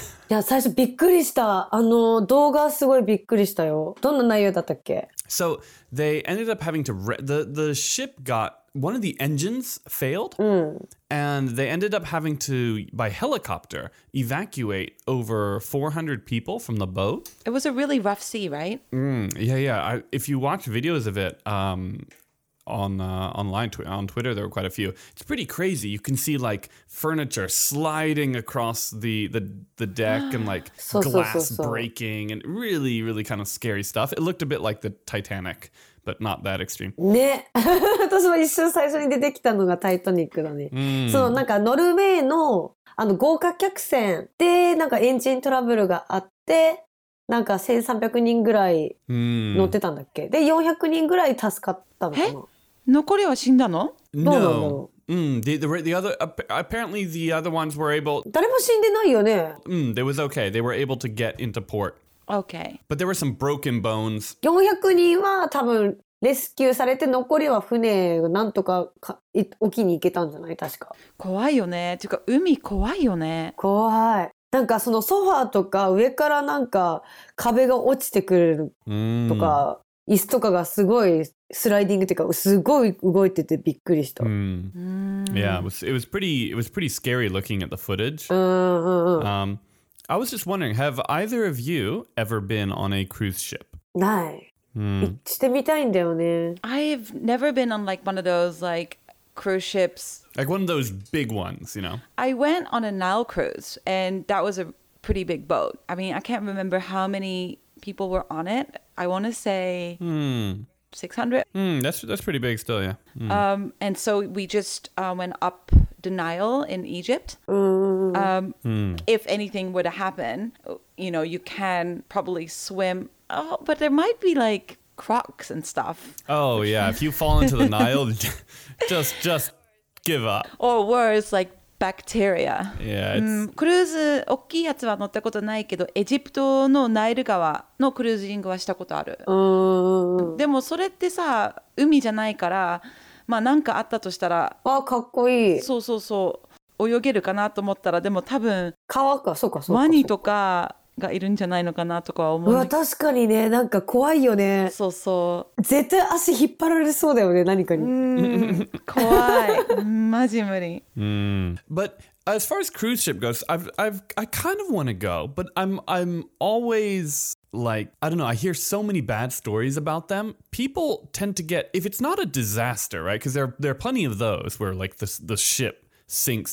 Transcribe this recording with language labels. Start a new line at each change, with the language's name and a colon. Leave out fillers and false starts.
Japanese: いや、最初びっくりした。あの動画すごいびっくりしたよ。どんな内容だったっけ？
English: So they ended up having to the ship got one of the engines failed, and they ended up having to by helicopter evacuate over 400 people from the boat. It was a really rough sea, right? Yeah. If you watch videos of it, on Twitter, there were quite a few. It's pretty crazy. You can see like furniture sliding across the deck and like glass breaking and really, really kind of scary stuff. It looked a bit like the Titanic, but not that extreme.
Japanese: ね、私も一瞬最初に出てきたのがタイトニックだね。そう、なんかノルウェーのあの豪華客船でなんかエンジントラブルがあって。なんか1300人ぐらい乗ってたんだっけ、で400人ぐらい助かったのかな。え、残りは死んだの？どうなの？
English: The other, apparently the other ones were able...
Japanese: 誰も死んでないよね。
English: It was okay. They were able to get into port. Okay. But there were some broken bones.
Japanese: 400人は多分レスキューされて、残りは船をなんとか沖に行けたんじゃない？確か。怖いよね。てか海怖いよね。怖い。なんかそのソファーとか上からなんか壁が落ちてくるとか、椅子とかがすごいスライディングっていうかすごい動いててびっくりした。
English: Yeah, it was pretty scary looking at the footage. I was just wondering, have either of you ever been on a cruise ship? ない。してみたいんだよね。 I've never been on like one of those like... cruise ships. Like one of those big ones, you know? I went on a Nile cruise and that was a pretty big boat. I mean, I can't remember how many people were on it. I want to say 600. That's pretty big still, yeah. And so we just went up the Nile in Egypt. If anything were to happen, you know, you can probably swim. Oh, but there might be like crocs and stuff. Oh yeah, if you fall into the Nile, just give up. Or worse, like bacteria. Yeah. It's...
Japanese: クルーズ大きいやつは乗ったことないけど、エジプトのナイル川のクルージングはしたことある。でもそれってさ、海じゃないから、まあなんかあったとしたら、あ、かっこいい。そうそうそう。泳げるかなと思ったら、でも多分川か、そうかそうか、ワニとかがいるんじゃないのかなとかは思う。うわ、確かにね、なんか怖いよね。そうそう、絶対足引っ張られそうだよね、何かに。怖い、マジ無理。
English: But as far as cruise ship goes, I kind of want to go, but I'm always like, I don't know, I hear so many bad stories about them. People tend to get, if it's not a disaster, right? Because there are plenty of those where like the shipsinks.